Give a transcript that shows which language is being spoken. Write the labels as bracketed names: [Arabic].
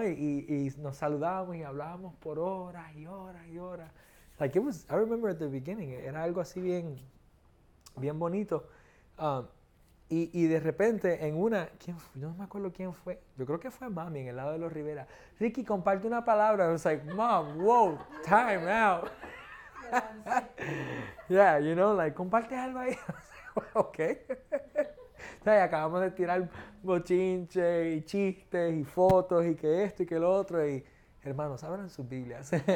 [Spanish] Y nos saludábamos y hablábamos por horas y horas y horas. [English] Like, it was, I remember at the beginning, [Spanish] era algo así bien, bien bonito. Y de repente, en una, ¿quién fue? Yo no me acuerdo quién fue. Yo creo que fue mami, en el lado de los Rivera. [English] Ricky, [Spanish] comparte una palabra. [English] I was like, mom, whoa, time out. Yeah, you know, like, [Spanish] comparte algo ahí. [English] I was like, okay. [Spanish] Y acabamos de tirar bochinche y chistes y fotos y que esto y que lo otro. Y hermanos, abran sus Biblias.